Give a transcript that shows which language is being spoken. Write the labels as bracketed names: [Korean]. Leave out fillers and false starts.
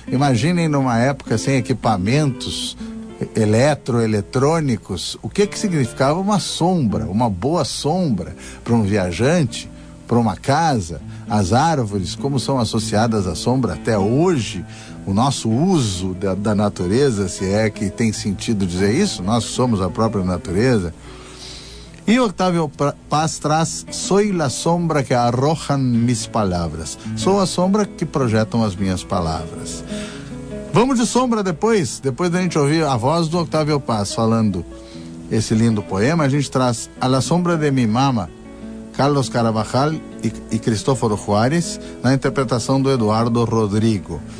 [Portuguese] Imaginem numa época sem equipamentos eletrônicos, o que que significava uma sombra, uma boa sombra para um viajante, para uma casa, as árvores, como são associadas à sombra até hoje, o nosso uso da natureza, se é que tem sentido dizer isso, nós somos a própria natureza. E Octavio Paz traz: [Spanish] soy la sombra que arrojan mis palabras. [Portuguese] Sou a sombra que projetam as minhas palavras. Vamos de sombra depois da gente ouvir a voz do Octavio Paz falando esse lindo poema, a gente traz a la sombra de mi mama, Carlos Carabajal e Cristóforo Juárez, na interpretação do Eduardo Rodrigo.